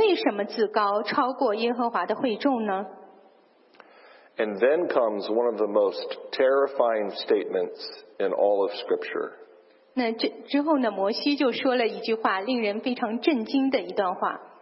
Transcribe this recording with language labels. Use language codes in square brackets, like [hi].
[zh] 那这些人呢聚集攻击摩西亚伦说你们擅自专权全会众各个既是圣洁耶和华也在他们中间你们为什么自高超过耶和华的会众呢 [en] And then comes one of the most terrifying statements in all of Scripture. [zh] 那之后呢摩西就说了一句话令人非常震惊的一段话